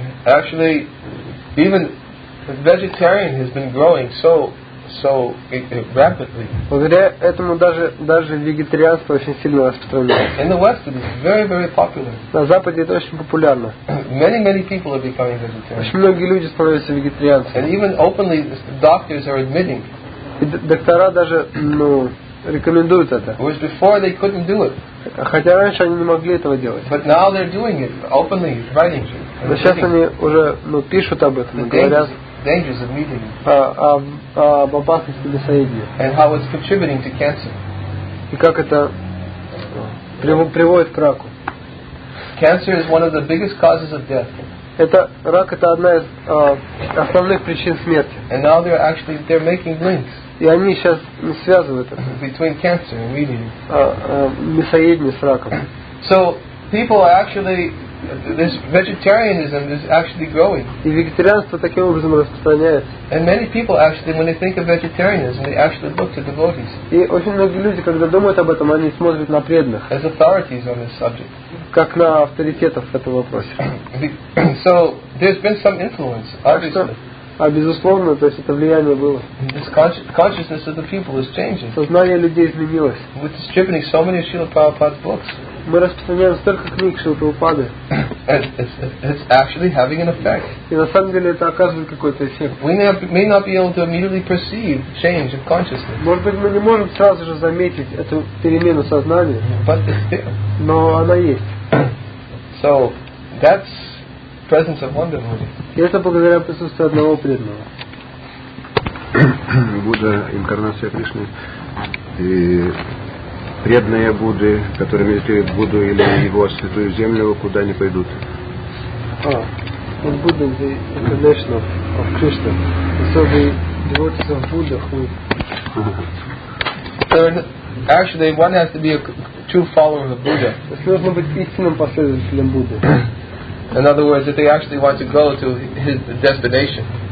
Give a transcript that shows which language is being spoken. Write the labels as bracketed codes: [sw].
[en] Actually, even vegetarian has been growing so rapidly. [ru] Благодаря этому даже вегетарианство очень сильно распространяется. [en] In the West it is very, very popular. [ru] На Западе это очень популярно. [en] Many, many people are becoming vegetarian. [ru] Очень многие люди становятся вегетарианцами. [en] And even openly, doctors are admitting. [ru] Доктора даже рекомендуют это. [en] Which before they couldn't do it. [ru] Хотя раньше они не могли этого делать. [en] But now they're doing it openly, writing. [ru] Но сейчас они уже, ну, пишут об этом, говорят. [en] Dangers of meeting. [ru] Об опасности лесоедения. [en] And how it's contributing to cancer. [ru] И как это приводит к раку. [en] Cancer is one of the biggest causes of death. [ru] Это рак — это одна из основных причин смерти. [en] And now they're actually they're making links. [ru] И они сейчас связывают это. [en] Between cancer and meeting. [ru] Мясоедение с раком. [en] So people are actually this vegetarianism is actually growing. [ru] И вегетарианство таким образом распространяется. [en] And many people actually when they think of vegetarianism they actually look to devotees. [ru] И очень многие люди, когда думают об этом, они смотрят на преданных. [en] As authorities on this subject. [ru] Как на авторитетов в этом вопросе. [en] So there's been some influence, obviously. [ru] А безусловно, то есть это влияние было. [en] This consciousness of the people is changing. [ru] Сознание людей изменилось. [en] With distributing so many Srila Prabhupada's books. [ru] Мы распространяем столько книг Шрилы Прабхупады. [en] It's actually having an effect. [ru] И на самом деле это оказывает какой-то эффект. [en] We may not be able to immediately perceive change of consciousness. [ru] Может быть, мы не можем сразу же заметить эту перемену сознания. [en] But it's there. [ru] Но она есть. [en] So that's presence of wonder. [ru] И это благодаря присутствию одного преданного. Будда, инкарнация Кришны. И преданные Будды, которые медитируют Будду или его святую землю, куда они пойдут? Он [en] Будда, the incarnation of Krishna. So the devotees of Buddha who... Actually, one has to be a true follower of the Buddha. [ru] Нужно быть истинным последователем Будды. [en] In other words, if they actually want to go to his destination.